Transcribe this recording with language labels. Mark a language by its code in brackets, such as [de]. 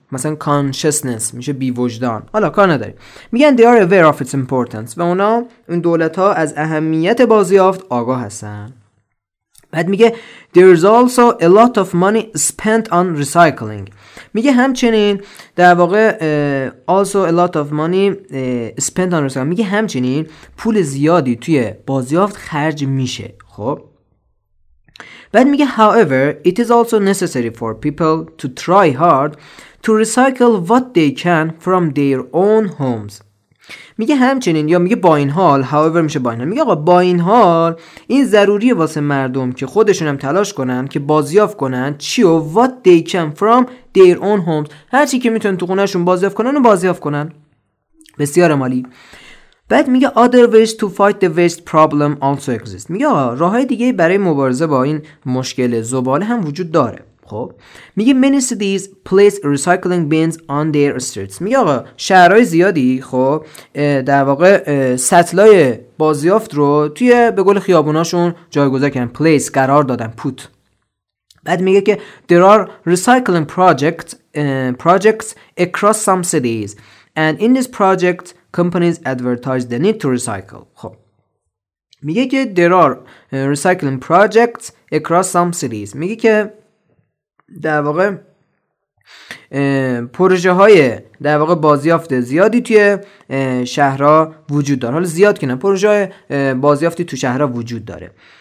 [fa] مثلا کانشنس میشه بی وجدان، حالا کار نداری. میگن [en] they are aware of its importance، [fa] و اونا اون دولت ها از اهمیت بازیافت آگاه هستن. بعد میگه [en] there is also a lot of money spent on recycling. [fa] میگه همچنین در واقع [en] also a lot of money spent on recycling، [fa] میگه همچنین پول زیادی توی بازیافت خرج میشه. خب بعد میگه [en] however it is also necessary for people to try hard to recycle what they can from their own homes. [fa] میگه همچنین، یا میگه با این حال، however میشه با این حال، میگه آقا با این حال این ضروریه واسه مردم که خودشون هم تلاش کنن که بازیافت کنن چیو، [en] what they can from their own homes، [fa] هرچی که میتونن تو خونهشون بازیافت کنن و بازیافت کنن. بسیار عالی. بعد میگه [en] other ways to fight the waste problem also exist. [fa] میگه آقا راهای دیگه برای مبارزه با این مشکل زباله هم وجود داره. خب میگه [en] many cities place recycling bins on their streets. [fa] میگه آقا شهرهای زیادی خب در واقع سطلای بازیافت رو توی به گل خیابوناشون جایگذار کردن، place قرار دادن، put. بعد میگه که [en] there are recycling projects across some cities and in this project companies advertise the need to recycle. [fa] خب میگه که [en] there are recycling projects across some cities، [fa] میگه که در واقع پروژه های در واقع بازیافت زیادی توی شهرها وجود داره. حالا زیاد که نه، پروژه های بازیافتی تو شهرها وجود داره.